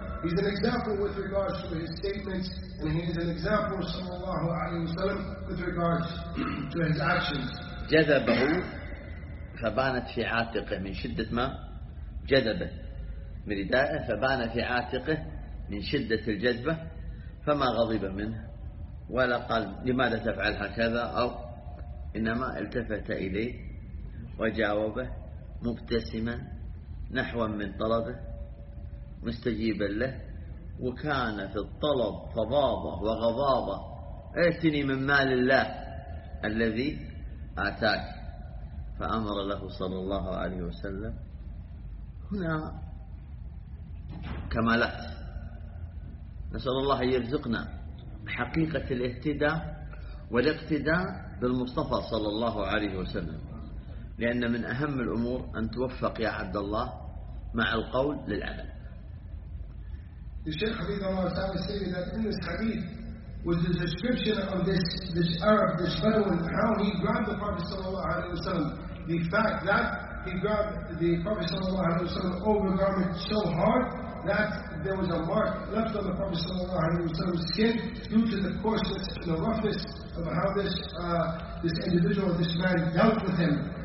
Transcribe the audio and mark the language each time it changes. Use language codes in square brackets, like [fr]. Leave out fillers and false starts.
[en] He's an example with regards to his statements, and he is an example sallallahu alayhi wa sallam with regards to his actions. [ar] جذبه فبانت في عاتقه من شدة ما جذبه من ردائه فبان في عاتقه من شدة الجذبة فما غضب منه ولا قال لماذا تفعل هكذا أو إنما التفت إليه وجاوبه مبتسما نحو من طلبه مستجيبا له وكان في الطلب فظاظه وغضاظه ائتني من مال الله الذي اتاك فامر له صلى الله عليه وسلم هنا كمالات نسال الله ان يرزقنا حقيقه الاهتداء والاقتداء بالمصطفى صلى الله عليه وسلم لأن من أهم الأمور أن توفق يا عبد الله مع القول للعمل. الشيخ حبيب الله تعالى [en] said that in this hadith was the description of this Arab, this Bedouin, how he grabbed the Prophet [ar] صلى الله عليه وسلم. [en] The fact that he grabbed the Prophet [ar] صلى الله عليه وسلم [en] over the garment so hard that there was a mark left on the Prophet صلى الله عليه وسلم's skin due to the coarseness and the roughness of how this individual, this man dealt with him.